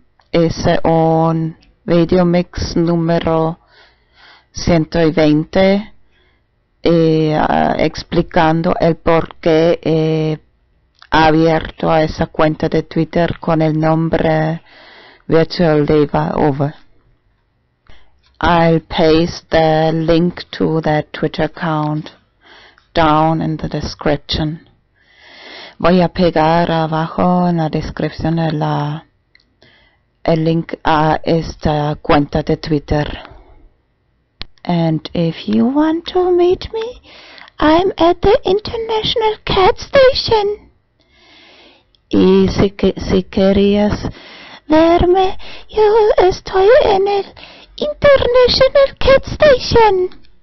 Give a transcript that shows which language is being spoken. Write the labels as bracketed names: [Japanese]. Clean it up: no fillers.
[Spanish] Es un video mix número 120 y explicando el por qué he abierto esa cuenta de Twitter con el nombre Virtual Diva Over. [English] I'll paste the link to that Twitter account down in the description. [Spanish] Voy a pegar abajo en la descripción el link a esta cuenta de Twitter. [English] And if you want to meet me, I'm at the International Cat Station. [Spanish] Y si querías verme, yo estoy en el International Cat Station.